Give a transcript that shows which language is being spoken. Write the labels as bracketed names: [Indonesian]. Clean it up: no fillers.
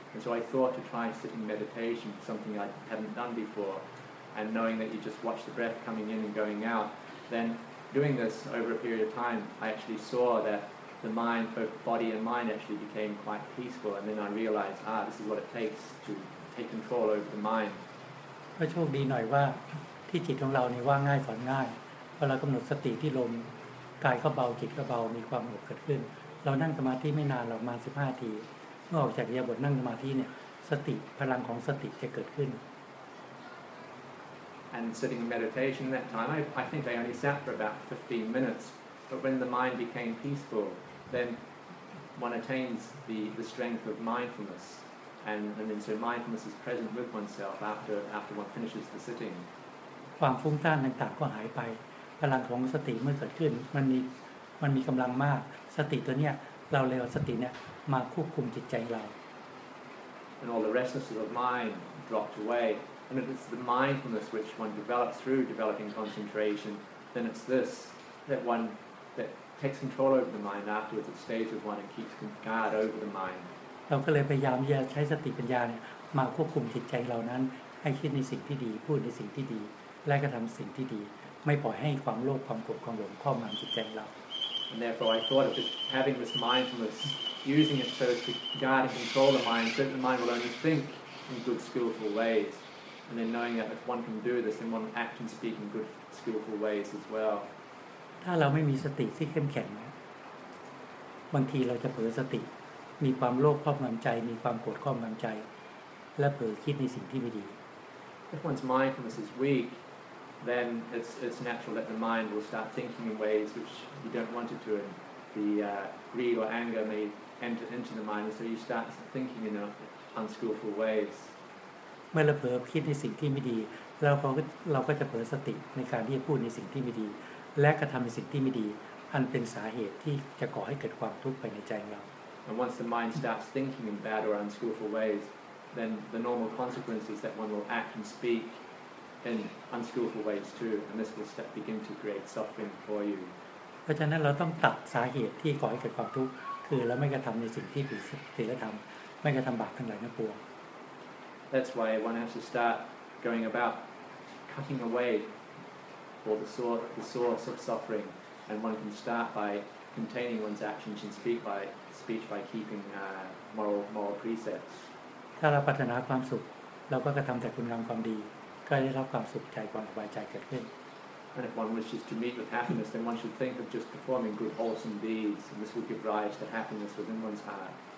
[English] And so I thought to try sitting meditation, something I hadn't done before, and knowing that you just watch the breath coming in and going out. Then doing this over a period of time, I actually saw that the mind, both body and mind, actually became quite peaceful. And then I realized, this is what it takes to take control over the mind. [Thai] ก็โชคดีหน่อยว่าที่จิตของเราเนี่ยว่าง่ายสอนง่ายเพราะเรากำหนดสติที่ลมกายก็เบาจิตก็เบามีความสงบเกิดขึ้นเรานั่งสมาธิไม่นานหรอกประมาณ15 นาทีเมื่อออกจากอิริยาบถนั่งสมาธิเนี่ยสติพลังของสติจะเกิดขึ้น [English] and sitting in meditation that time, I think I only sat for about 15 minutes. But when the mind became peaceful, then one attains the strength of mindfulness. And then so mindfulness is present with oneself after one finishes the sitting. [Thai] ความฟุ้งซ่านต่างๆก็หายไปพลังของสติเมื่อเกิดขึ้นมันมีกำลังมากสติตัวเนี้ยเราเรียกว่าสติเนี่ยมาควบคุมจิตใจเรา [English] And all the restlessness of mind dropped away. And if it's the mindfulness which one develops through developing concentration, then it's this that takes control over the mind afterwards. It stays with one and keeps guard over the mind. [Thai] เราก็เลยพยายามใช้สติปัญญาเนี่ยมาควบคุมจิตใจเรานั้นให้คิดในสิ่งที่ดีพูดในสิ่งที่ดีและกระทำสิ่งที่ดีไม่ปล่อยให้ความโลภความโกรธความหลงครอบงำจิตใจเรา [English] And therefore I thought of just having this mindfulness using it so as to guard and control the mind so that the mind will only think in good skillful ways and then knowing that if one can do this then one act and speak in good skillful ways as well [Thai] ถ้าเราไม่มีสติที่เข้มแข็งบางทีเราจะเผลอสติมีความโลภครอบงำใจมีความโกรธครอบงำใจและเผลอคิดในสิ่งที่ไม่ดี [English] If one's mindfulness is weak then it's natural that the mind will start thinking in ways which you don't want it to and the greed or anger may enter into the mind so you start thinking in unskillful ways [Thai] เมื่อเราเผลอคิดในสิ่งที่ไม่ดีเราก็จะเผลอสติในการที่จะพูดในสิ่งที่ไม่ดีและกระทำในสิ่งที่ไม่ดีอันเป็นสาเหตุที่จะก่อให้เกิดความทุกข์ภายในใจเรา [English] And once the mind starts thinking in bad or unskillful ways, then the normal consequence is that one will act and speak in unskillful ways too, and this will begin to create suffering for you. [Thai] เพราะฉะนั้นเราต้องตัดสาเหตุที่ก่อให้เกิดความทุกข์คือเราไม่กระทำในสิ่งที่ผิดศีลธรรมไม่กระทำบาปทั้งหลายทั้งปวง [English] That's why one has to start going about cutting away for the source of suffering, and one can start by containing one's actions and speech by keeping moral precepts [Thai] ถ้าเราปรารถนาความสุขเราก็กระทําแต่คุณงามความดีก็ได้รับความสุขใจความสบายใจเกิดขึ้น [English] And if one wishes to meet with happiness then one should think of just performing good wholesome deeds and this will give rise to happiness within one's heart